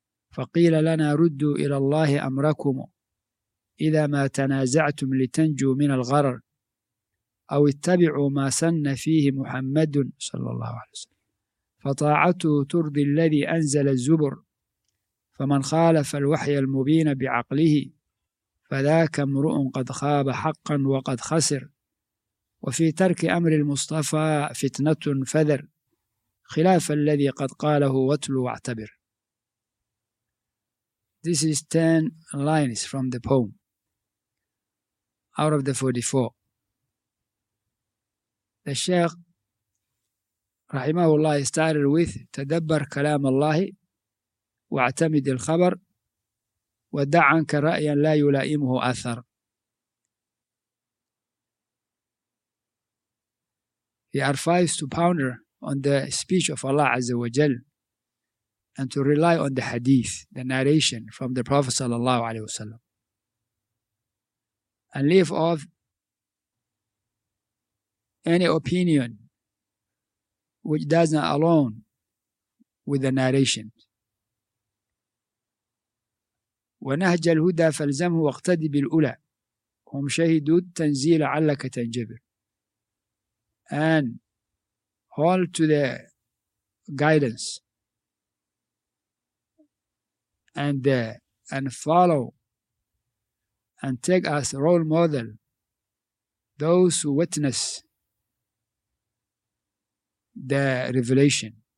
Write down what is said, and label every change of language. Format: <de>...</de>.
<ar>فقيل لنا ردوا إلى الله أمركم إذا ما تنازعتم لتنجوا من الغرر أو اتبعوا ما سن فيه محمد صلى الله عليه وسلم فطاعته ترضي الذي أنزل الزبر فمن خالف الوحي المبين بعقله فذاك امرؤ قد خاب حقا وقد خسر وفي ترك أمر المصطفى فتنة فذر خلاف الذي قد قاله واتلو واعتبر.</ar> <en>This is 10 lines from the poem out of the 44. The Shaykh Rahimahullah started with</en> <ar>تدبر كلام الله واعتمد الخبر ودع عنك رأيا لا يلائمه أثر.</ar> <en>He advised to ponder on the speech of Allah Azza wa Jal and to rely on the hadith, the narration from the Prophet sallallahu alaihi wasallam, and leave off any opinion which does not align with the narration.</en> <ar>ونهج الهدى فالزمه واقتد بالأولى هم شهدوا التنزيل علك تنجبر.</ar> <en>And hold to the guidance and follow and take as role model those who witness the revelation,</en>